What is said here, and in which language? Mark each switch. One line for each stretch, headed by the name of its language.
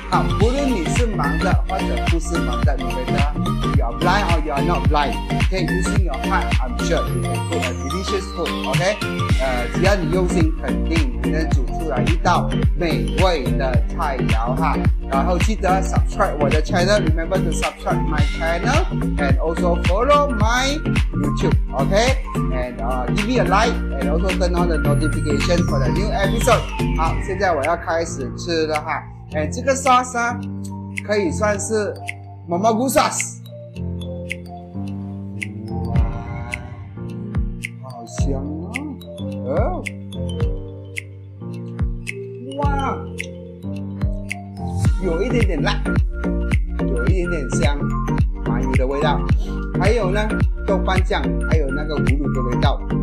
Chinese: 好，不论你是忙的或者不是忙的，你觉得
English: you are blind or you are not blind， okay, using your heart， I'm sure you can cook a delicious food， OK，
Chinese: 只要你用心，肯定你能煮出来一道美味的菜肴哈。然后记得
English: subscribe 我的 channel， remember to subscribe my channel and also follow my YouTube， OK。 And give me a like and also turn on the notification for the new episode。
Chinese: 好，现在我要开始吃了哈。 And 这个 sauce 呢可以算是 Mamagoo sauce。哇，好香啊、哦、哇，有一点点辣，有一点点香，麻油的味道，还有呢豆瓣酱，还有那个胡芦的味道。